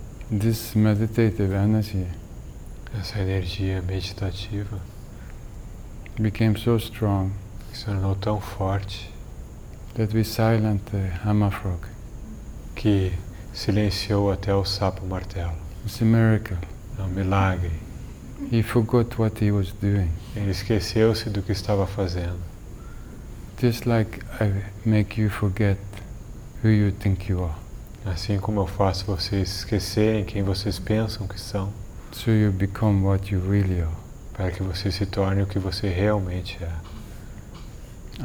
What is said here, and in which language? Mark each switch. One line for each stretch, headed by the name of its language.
English: This meditative energy,
Portuguese: essa energia meditativa,
English: became so strong,
Portuguese: se tornou tão forte,
English: that we silenced the hammer frog,
Portuguese: que silenciou até o sapo martelo.
English: It's a miracle.
Portuguese: É um milagre.
English: He forgot what he was doing.
Portuguese: Ele esqueceu-se do que estava fazendo.
English: Just like I make you forget who you think you are.
Portuguese: Assim como eu faço vocês esquecerem quem vocês pensam que são,
English: so you become what you really are.
Portuguese: Para que você se torne o que você realmente é.